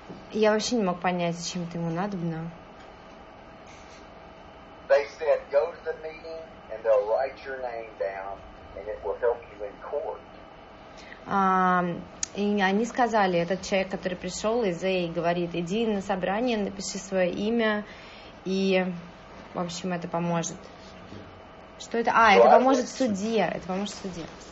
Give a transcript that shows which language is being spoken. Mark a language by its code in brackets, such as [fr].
[ru] Я вообще не мог понять, зачем это ему надобно. [en] They said, go to the meeting, and they'll write your name down, and it will help you in court. [ru] И они сказали, этот человек, который пришел из AA, говорит, иди на собрание, напиши свое имя, и, в общем, это поможет. Что это? А, это поможет судье. Это поможет судье.